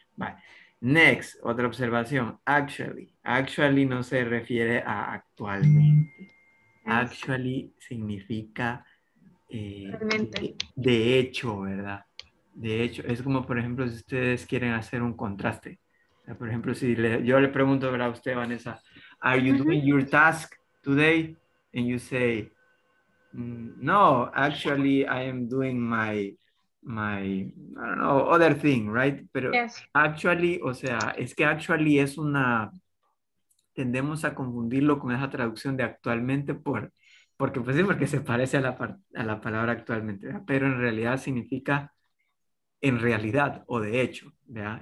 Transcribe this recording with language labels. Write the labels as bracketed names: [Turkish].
[Spanish] Bye. Next, otra observación. Actually. Actually no se refiere a actualmente. Actually significa de hecho, ¿verdad? De hecho, es como, por ejemplo, si ustedes quieren hacer un contraste. Por ejemplo, si yo le pregunto, ¿verdad, a usted, Vanessa? [English] Are you doing your task today? And you say, no, actually, I am doing my, I don't know, other thing, right? [Spanish] Pero [English] yes. [Spanish] Actually, o sea, es que actually es una, tendemos a confundirlo con esa traducción de actualmente porque pues sí, porque se parece a la palabra actualmente, ¿verdad? Pero en realidad significa en realidad o de hecho, ¿verdad?